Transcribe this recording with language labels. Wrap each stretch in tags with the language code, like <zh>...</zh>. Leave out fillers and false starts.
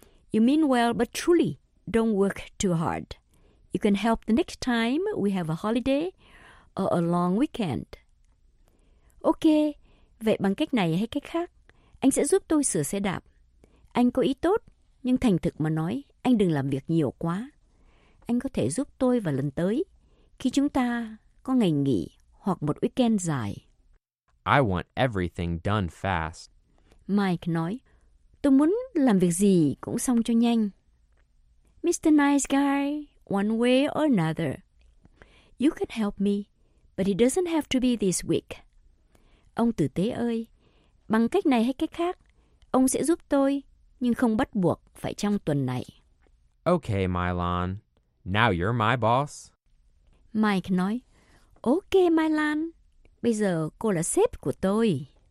<en>You mean well, but truly, don't work too hard. You can help the next time we have a holiday or a long weekend.</en> <vi>Okay, vậy bằng cách này hay cách khác, anh sẽ giúp tôi sửa xe đạp. Anh có ý tốt, nhưng thành thực mà nói, anh đừng làm việc nhiều quá. Anh có thể giúp tôi vào lần tới, khi chúng ta có ngày nghỉ hoặc một weekend dài.</vi> <en>I want everything done fast.</en> <vi>Mike nói, tôi muốn làm việc gì cũng xong cho nhanh.</vi> <en>Mr. Nice Guy, one way or another, you can help me, but it doesn't have to be this week.</en> <vi>Ông tử tế ơi, bằng cách này hay cách khác, ông sẽ giúp tôi, nhưng không bắt buộc phải trong tuần này.</vi> <en>Okay, Mylon, now you're my boss.</en> <vi>Mike nói, okay, Mylon, bây giờ cô là sếp của tôi.</vi>